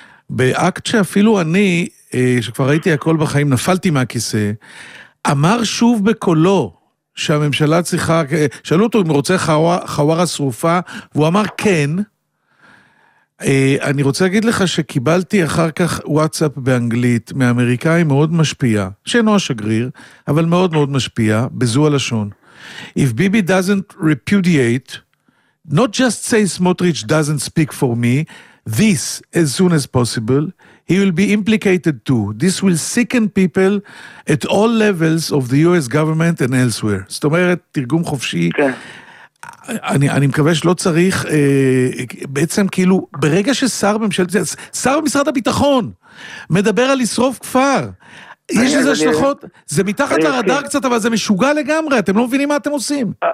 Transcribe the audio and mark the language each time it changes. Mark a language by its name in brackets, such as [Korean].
[Hebrew] באקט שאפילו אני, שכבר ראיתי הכל בחיים, נפלתי מהכיסא, אמר שוב בקולו, שהממשלה צריכה, שאלו אותו אם הוא רוצה חווארה שרופה, והוא אמר כן. אני רוצה להגיד לך שקיבלתי אחר כך וואטסאפ באנגלית, מאמריקאי מאוד משפיע, שאינו השגריר, אבל מאוד מאוד משפיע, בזו הלשון. [English] If Bibi doesn't repudiate not just say Smotrich doesn't speak for me, this as soon as possible, he will be implicated too. This will sicken people at all levels of the US government and elsewhere. [Hebrew] זאת אומרת, תרגום חופשי, אני מקווה שלא צריך, בעצם כאילו, ברגע ששר ממשלת, שר במשרד הביטחון, מדבר על לשרוף כפר, יש איזה השלכות, זה מתחת לרדאר קצת, אבל זה משוגע לגמרי, אתם לא מבינים מה אתם עושים.